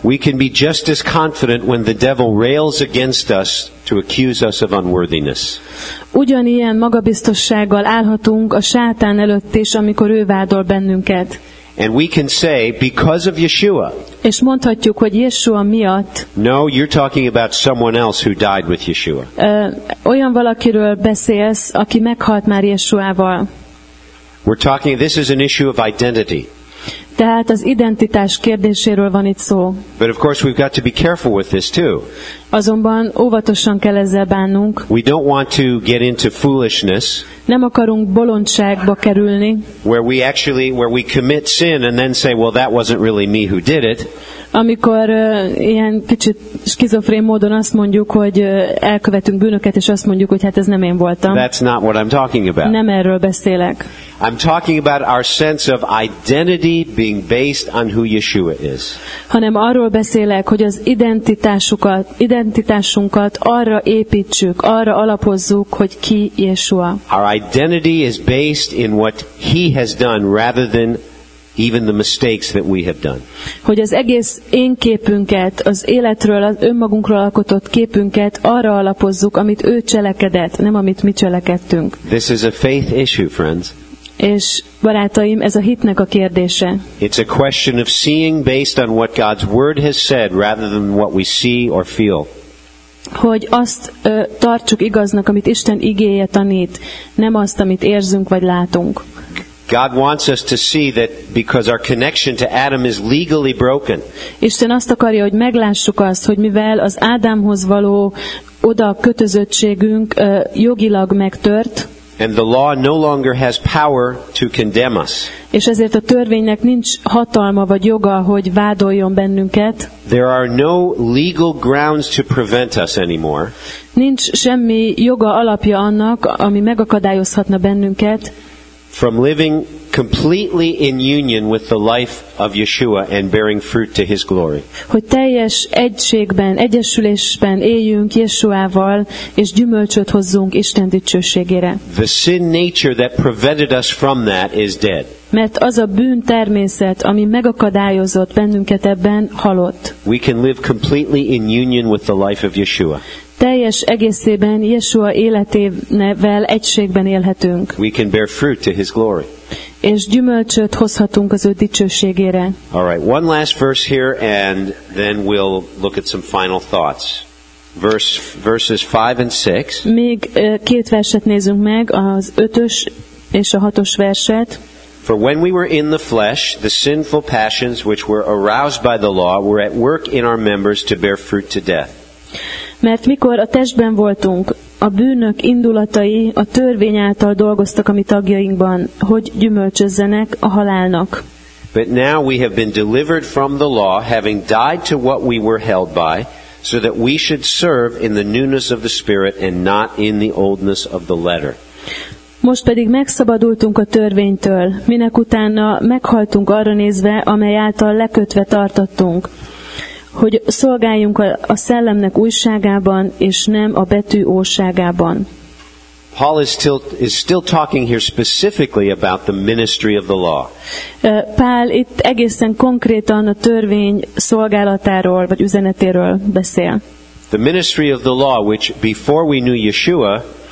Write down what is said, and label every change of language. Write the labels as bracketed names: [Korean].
[English] We can be just as confident when the devil rails against us to accuse us of unworthiness. [Hungarian] Ugyanilyen magabiztossággal állhatunk a sátán előtt is, amikor ő vádol bennünket. [English] And we can say, because of Yeshua. [Hungarian] És mondhatjuk, hogy Yeshua miatt. [English] No, you're talking about someone else who died with Yeshua. [Hungarian] Olyan valakiről beszélsz, aki meghalt már Yeshuával. [English] We're talking, this is an issue of identity. [Hungarian] Tehát az identitás kérdéséről van itt szó. [English] But of course we've got to be careful with this too. [Hungarian] Azonban óvatosan kell ezzel bánnunk. [English] We don't want to get into foolishness. [Hungarian] Nem akarunk bolondságba kerülni. [English] Where we commit sin and then say, well, that wasn't really me who did it. [Hungarian] Amikor ilyen kicsit skizofrén módon azt mondjuk, hogy elkövetünk bűnöket, és azt mondjuk, hogy hát ez nem én voltam. [English] That's not what I'm talking about. [Hungarian] Nem erről beszélek. [English] I'm talking about our sense of identity being based on who Yeshua is. [Hungarian] Hanem arról beszélek, hogy az identitásunkat arra építsük, arra alapozzuk, hogy ki Yeshua. [English] Our identity is based in what he has done rather than even the mistakes that we have done. [Hungarian] Hogy az egész én képünket, az életről, az önmagunkról alkotott képünket arra alapozzuk, amit ő cselekedett, nem amit mi cselekedtünk. [English] This is a faith issue, friends. [Hungarian] És barátaim, ez a hitnek a kérdése. [English] It's a question of seeing based on what God's word has said rather than what we see or feel. [Hungarian] Hogy azt tartsuk igaznak, amit Isten igéje tanít, nem azt, amit érzünk vagy látunk. [English] God wants us to see that because our connection to Adam is legally broken. [Hungarian] Isten azt akarja, hogy meglássuk azt, hogy mivel az Ádámhoz való oda kötözöttségünk jogilag megtört. [English] And the law no longer has power to condemn us. [Hungarian] És ezért a törvénynek nincs hatalma vagy joga, hogy vádoljon bennünket. [English] There are no legal grounds to prevent us anymore. [Hungarian] Nincs semmi joga alapja annak, ami megakadályozhatna bennünket. [English] From living completely in union with the life of Yeshua and bearing fruit to His glory. [Hungarian] Hogy teljes egységben, egyesülésben éljünk Yeshuával, és gyümölcsöt hozzunk Isten dicsőségére. [English] The sin nature that prevented us from that is dead. [Hungarian] Mert az a bűn természet, ami megakadályozott bennünket ebben, halott. [English] We can live completely in union with the life of Yeshua. [Hungarian] Teljes egészében Yeshua életével egységben élhetünk. [English] We can bear fruit to His glory. [Hungarian] És gyümölcsöt hozhatunk az ő dicsőségére. [English] All right, one last verse here, and then we'll look at some final thoughts. Verses 5 and 6. [Hungarian] Még két verset nézünk meg, az 5-ös és a 6-os verset. [English] For when we were in the flesh, the sinful passions which were aroused by the law were at work in our members to bear fruit to death. [Hungarian] Mert mikor a testben voltunk, a bűnök indulatai a törvény által dolgoztak a mi tagjainkban, hogy gyümölcsözzenek a halálnak. [English] But now we have been delivered from the law, having died to what we were held by, so that we should serve in the newness of the Spirit and not in the oldness of the letter. [Hungarian] Most pedig megszabadultunk a törvénytől, minek utána meghaltunk arra nézve, amely által lekötve tartottunk, hogy szolgáljunk a szellemnek újságában, és nem a betű óságában. [English] Paul is still talking here specifically about the ministry of the law. [Hungarian] Pál itt egészen konkrétan a törvény szolgálatáról, vagy üzenetéről beszél. [English] The ministry of the law, which before we knew Yeshua,